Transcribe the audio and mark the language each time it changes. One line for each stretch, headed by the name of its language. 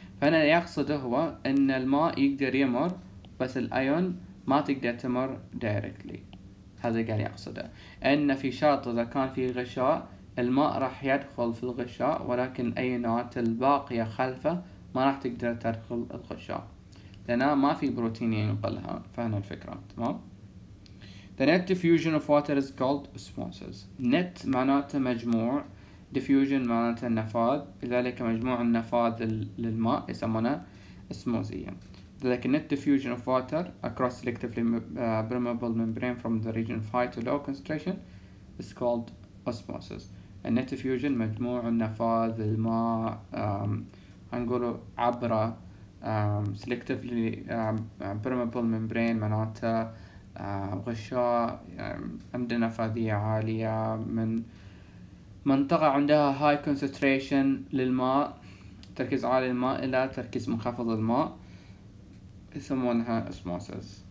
Arabic: فأنا يقصده هو إن الماء يقدر يمر بس الأيون ما تقدر تمر directly، هذا قال يقصده، ان في شرط اذا كان في غشاء الماء راح يدخل في الغشاء ولكن الايونات الباقية خلفه ما راح تقدر تدخل الغشاء لانه ما في بروتين ينقلها. فهنا الفكرة، تمام؟
English: The net diffusion of water is called osmosis.
Arabic: Net معناته مجموع، diffusion معناته النفاذ، لذلك مجموع النفاذ للماء يسمونه اسموزية.
English: Like a net diffusion of water across selectively permeable membrane from the region of high to low concentration is called osmosis. A net diffusion
Arabic: مجموع النفاذ الماء هنقوله عبر
English: selectively permeable membrane،
Arabic: معناته غشاء عنده نفاذية عالية من منطقة عندها
English: high concentration
Arabic: للماء، تركيز عالي الماء، إلى تركيز منخفض الماء، يسمونها osmosis.